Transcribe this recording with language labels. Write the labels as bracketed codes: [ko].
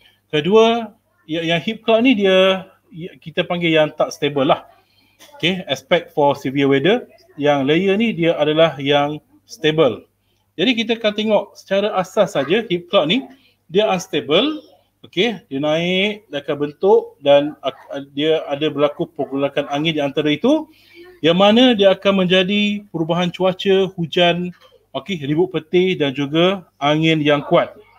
[ms] Kedua, yang hip cloud ni dia kita panggil yang tak stable lah. [en] Okay, expect for severe weather. [ms] Yang layer ni dia adalah yang stable. Jadi kita akan tengok secara asas saja hip cloud ni dia unstable. Okay, dia naik, dia akan bentuk dan dia ada berlaku pergolakan angin di antara itu yang mana dia akan menjadi perubahan cuaca, hujan, okay, ribut petir dan juga angin yang kuat.